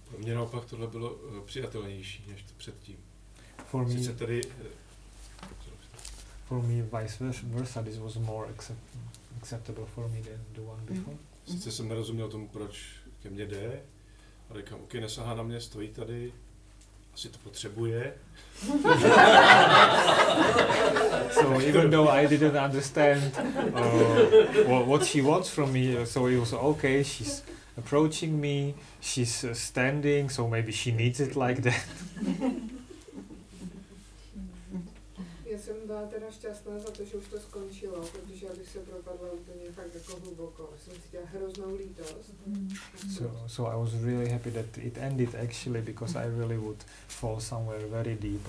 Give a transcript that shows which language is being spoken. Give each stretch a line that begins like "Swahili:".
Czech: Pro mě naopak tohle bylo přijatelnější než to předtím.
English: For
Czech: sice
English: me,
Czech: tady,
English: for me, vice versa, this was more acceptable for me than the one before. Mm-hmm.
Czech: Sice jsem nerozuměl tomu, proč ke mně jde, a říkám, ok, nesahá na mě, stojí tady, asi to potřebuje.
English: So even though I didn't understand what she wants from me, so it was okay, she's approaching me, she's standing, so maybe she needs it like that.
Czech: Já jsem byla teda šťastná za to, že už to skončilo, protože já bych se propadla úplně fakt jako hluboko. Jsem cítila hroznou lítost.
English: So I was really happy that it ended actually, because I really would fall somewhere very deep.